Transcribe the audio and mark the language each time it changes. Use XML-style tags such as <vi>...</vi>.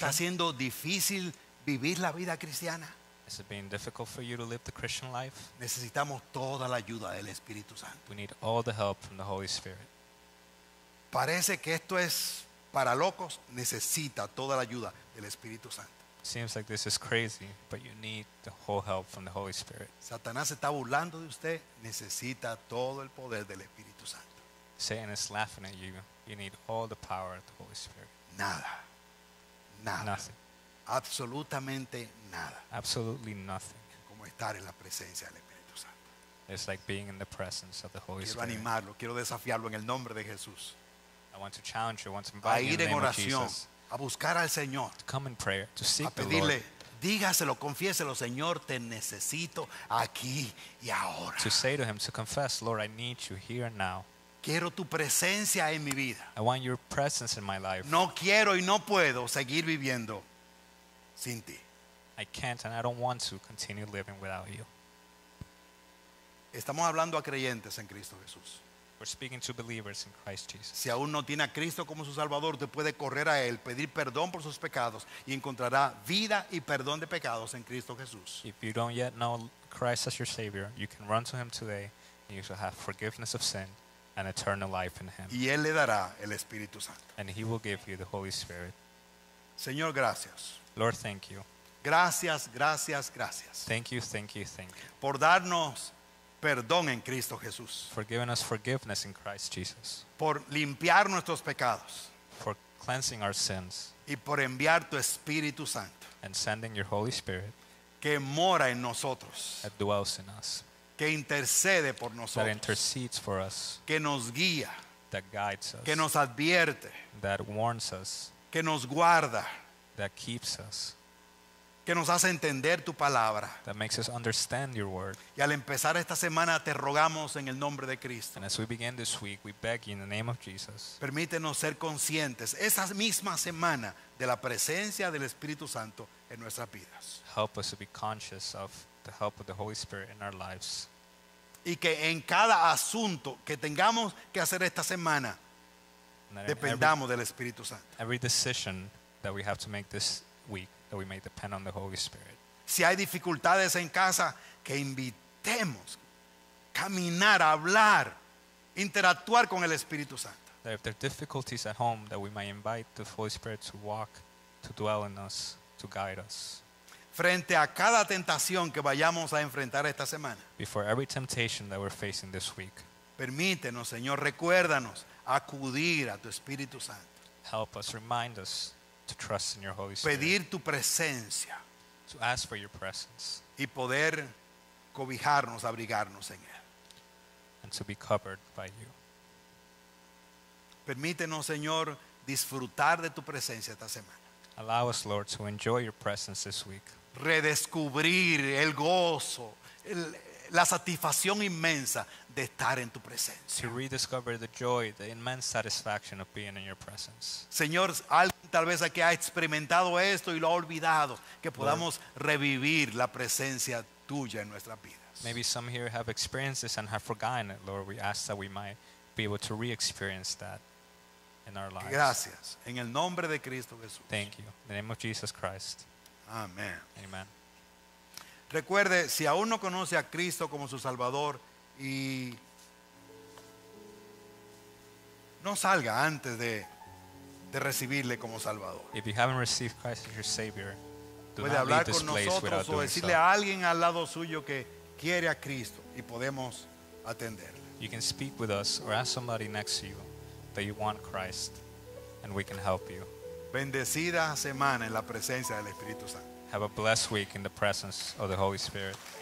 <es>¿Le está siendo difícil vivir la vida cristiana?</es> <en>Is it being difficult for you to live the Christian life?</en> <es>Necesitamos toda la ayuda del Espíritu Santo.</es> <en>We need all the help from the Holy Spirit.</en> <es>Parece que esto es para locos. Necesita toda la ayuda del Espíritu Santo.</es> <en>Seems like this is crazy, but you need the whole help from the Holy Spirit.</en> <es>Satanás está burlando de usted, necesita todo el poder del Espíritu Santo.</es> <en>Satan is laughing at you. You need all the power of the Holy Spirit.</en> <es>Nada. Nada.</es> <en>Nothing.</en> <es>Absolutamente nada.</es> <en>Absolutely nothing.</en> <es>Como estar en la presencia del Espíritu Santo.</es> <en>It's like being in the presence of the Holy</en> <es>Quiero</es> <en>Spirit.</en> <es>Quiero animarlo, quiero desafiarlo en el nombre de Jesús.</es> <en>I want to challenge you, I want to invite you in the name</en> <es>oración.</es> <en>Of Jesus.</en> <es>A buscar al Señor.</es> <en>To come in prayer, to seek</en> <es>a pedirle,</es> <en>the Lord.</en> <es>Dígaselo, confiéselo, Señor, te necesito aquí y ahora.</es> <en>To say to Him, to confess, Lord, I need you here and now.</en> <es>Quiero tu presencia en mi vida.</es> <en>I want your presence in my life.</en> <es>No quiero y no puedo seguir viviendo sin ti.</es> <en>I can't and I don't want to continue living without you.</en> <es>Estamos hablando a creyentes en Cristo Jesús.</es> <en>We're speaking to believers in Christ Jesus.</en> <es>Si aún no tiene a Cristo como su Salvador, usted puede correr a Él, pedir perdón por sus pecados y encontrará vida y perdón de pecados en Cristo Jesús.</es> <en>If you don't yet know Christ as your Savior, you can run to Him today and you shall have forgiveness of sin and eternal life in Him.</en> <es>Y Él le dará el Espíritu Santo.</es> <en>And He will give you the Holy Spirit.</en> <es>Señor, gracias.</es> <en>Lord, thank you.</en> <es>Gracias, gracias, gracias.</es> <en>Thank you, thank you, thank you.</en> <es>Por darnos perdón en Cristo Jesús.</es> <en>For giving us forgiveness in Christ Jesus.</en> <es>Por limpiar nuestros pecados.</es> <en>For cleansing our sins.</en> <es>Y por enviar tu Espíritu Santo.</es> <en>And sending your Holy Spirit.</en> <es>Que mora en nosotros.</es> <en>That dwells in us.</en> <es>Que intercede por nosotros.</es> <en>That intercedes for us.</en> <es>Que nos guía.</es> <en>That guides us.</en> <es>Que nos advierte.</es> <en>That warns us.</en> <es>Que nos guarda.</es> <en>That keeps us.</en> <es>Que nos hace entender tu palabra.</es> <en>That makes us understand your word.</en> <es>Y al empezar esta semana te rogamos en el nombre de Cristo.</es> <en>And as we begin this week, we beg you in the name of Jesus.</en> <es>Permítenos ser conscientes esa misma semana de la presencia del Espíritu Santo en nuestras vidas.</es> <en>Help us to be conscious of the help of the Holy Spirit in our lives.</en> <es>Y que en cada asunto que tengamos que hacer esta semana dependamos del Espíritu Santo.</es> <en>Every decision that we have to make this week, that we may depend on the Holy Spirit.</en> <es>Si hay dificultades en casa, que invitemos caminar, hablar, interactuar con el Espíritu Santo.</es> <en>That if there are difficulties at home, that we may invite the Holy Spirit to walk, to dwell in us, to guide us.</en> <es>Frente a cada tentación que vayamos a enfrentar esta semana.</es> <en>Before every temptation that we're facing this week.</en> <es>Permítenos, Señor, recuérdanos acudir a tu Espíritu Santo.</es> <en>Help us, remind us to trust in your Holy Spirit.</en> <es>Pedir tu presencia.</es> <en>To ask for your presence.</en> <es>Y poder cobijarnos, abrigarnos en él.</es> <en>And to be covered by you.</en> <es>Permítenos, Señor, disfrutar de tu presencia esta semana.</es> <en>Allow us, Lord, to enjoy your presence this week.</en> <es>Redescubrir el gozo, la satisfacción inmensa de estar en tu presencia.</es> <en>To rediscover the joy, the immense satisfaction of being in your presence.</en> <es>Señor, alguien tal vez aquí ha experimentado esto y lo ha olvidado, que podamos revivir la presencia tuya en nuestras vidas.</es> <en>Maybe some here have experienced this and have forgotten it. Lord, we ask that we might be able to re-experience that in our lives.</en> <es>Gracias. En el nombre de Cristo Jesús.</es> <en>Thank you. In the name of Jesus Christ.</en> <es>Amen.</es> <en>Amen.</en> <es>Recuerde, si aún no conoce a Cristo como su Salvador, y no salga antes de recibirle como Salvador.</es> <en>If you haven't received Christ as your Savior, do</en> <es>puede</es> <en>not</en> <es>hablar</es> <en>leave</en> <es>con nosotros o decirle</es> <en>so.</en> <es>A alguien al lado suyo que quiere a Cristo y podemos atenderle.</es> <en>You can speak with us or ask somebody next to you that you want Christ, and we can help you.</en> <es>Bendecida semana en la presencia del Espíritu Santo.</es> <en>Have a blessed week in the presence of the Holy Spirit.</en>